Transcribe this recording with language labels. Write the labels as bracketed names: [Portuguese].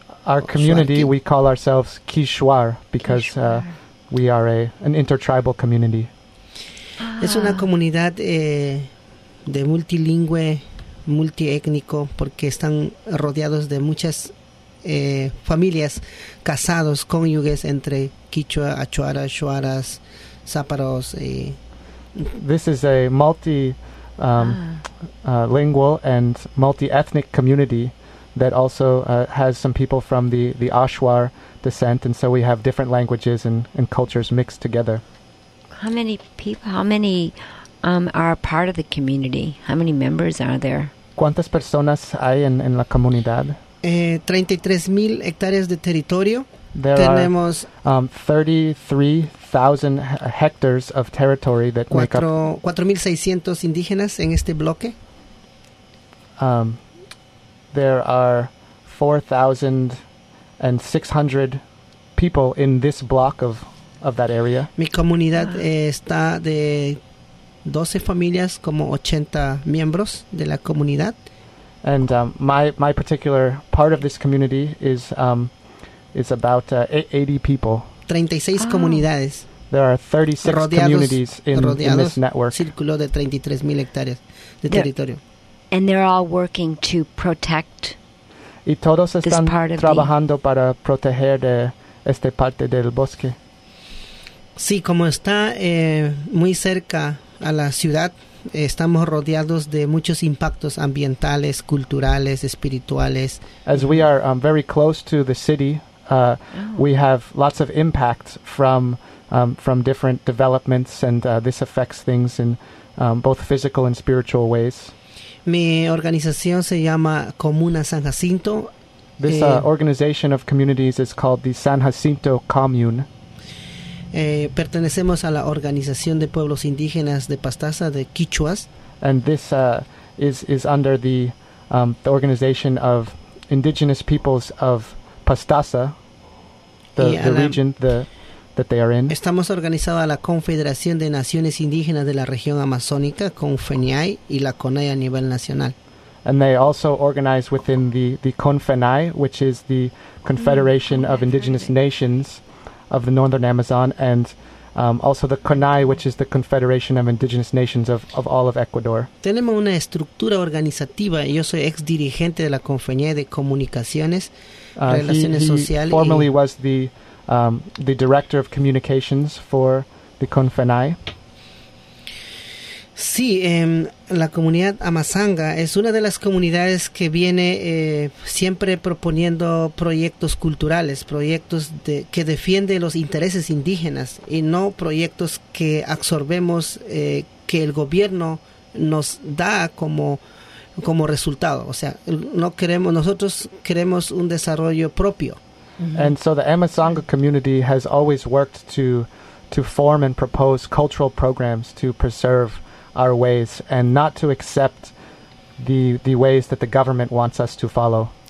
[English] Our community, Shuar-ki. We call ourselves Quichuar because we are an intertribal community. [Spanish] Es una comunidad de multilingüe, multiétnico, porque están rodeados de muchas familias, casados, cónyuges entre Quichua, Achuara, Shuaras, Záparos. [English] This is a multi lingual and multi-ethnic community that also has some people from the Ashuar descent, and so we have different languages and cultures mixed together. How many people, are part of the community? How many members are there? [Spanish] ¿Cuántas personas hay en la comunidad? 33,000 hectáreas de territorio. [English] There [Spanish] tenemos [English] are 33,000 hectares of territory that [Spanish] cuatro, [English] make up... [Spanish] 4,600 indígenas en este bloque. [English] There are 4,600 people in this block of that area. [Spanish] Mi comunidad está de 12 familias, como 80 miembros de la comunidad. [English] And my particular part of this community is about 80 people. [Spanish] 36 comunidades. [English] There are 36 communities in this network. [Spanish] Círculo de 33,000 hectáreas de territorio. [English] And they're all working to protect. [Spanish] Y todos están trabajando para proteger de esta parte del bosque. Sí, como está muy cerca a la ciudad, estamos rodeados de muchos impactos ambientales, culturales, espirituales. [English] As we are very close to the city, we have lots of impacts from different developments, and this affects things in both physical and spiritual ways. [Spanish] Mi organización se llama Comuna San Jacinto. [English] This organization of communities is called the San Jacinto Commune. [Spanish] Pertenecemos a la Organización de Pueblos Indígenas de Pastaza de Quichuas. [English] And this is under the organization of Indigenous Peoples of Pastaza, the region that they are in. [Spanish] Estamos organizados a la Confederación de Naciones Indígenas de la Región Amazónica, CONFENAI, y la CONAI a nivel nacional. [English] And they also organize within the CONFENAI, which is the Confederation of Indigenous Nations of the Northern Amazon, and also the CONAI, which is the Confederation of Indigenous Nations of all of Ecuador. [Spanish] Tenemos una estructura organizativa. Yo soy ex dirigente de la CONFENAI de Comunicaciones, Relaciones Sociales. [English] Formerly was the director of communications for the CONFENAI. [Spanish] Sí, la comunidad Amazanga es una de las comunidades que viene siempre proponiendo proyectos culturales, proyectos que defiende los intereses indígenas y no proyectos que absorbemos que el gobierno nos da como resultado. O sea, nosotros queremos un desarrollo propio. [English] And so the Amazanga community has always worked to form and propose cultural programs to preserve our ways and not to accept the ways that the government wants us to follow.